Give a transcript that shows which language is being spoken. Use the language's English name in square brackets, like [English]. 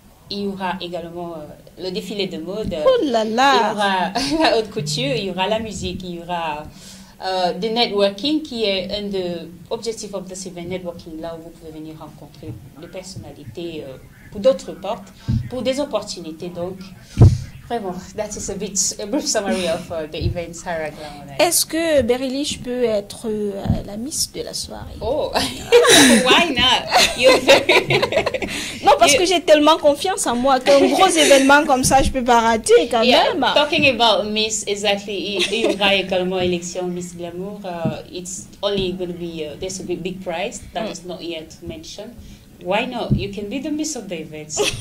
[French] Il y aura également le défilé de mode, Oh là il y là! aura la haute couture, il y aura la musique, il y aura du networking qui est un des objectifs de cet événement, networking, là où vous pouvez venir rencontrer des personnalités pour d'autres portes, pour des opportunités. Donc, [English] Vraiment, that is a bit a brief summary of the events Sarah Glamour. [French] Est-ce que Berylish peut être la miss de la soirée? [English] Oh, why not? [French] Non, parce que j'ai tellement confiance en moi qu'un gros événement comme ça, je peux pas rater quand même. [English] Talking about miss, exactly, [French] il y aura également élection Miss Glamour. [English] It's only going to be there's a big prize that is not yet mentioned. Why not? You can be the Miss of the events.